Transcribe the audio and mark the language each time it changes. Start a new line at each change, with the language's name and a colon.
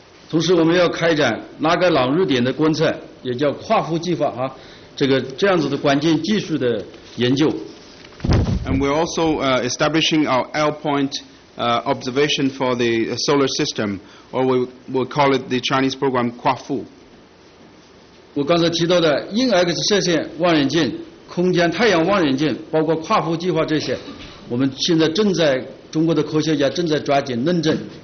Chinese: 同时，我们要开展拉格朗日点的观测，也叫夸父计划啊。这个这样子的关键技术的研究。
English: And we're also establishing our L point observation for the solar system, or we will call it the Chinese program 夸父。
Chinese: 我刚才提到的鹰 X 射线望远镜、空间太阳望远镜，包括夸父计划这些，我们现在正在中国的科学家正在抓紧论证。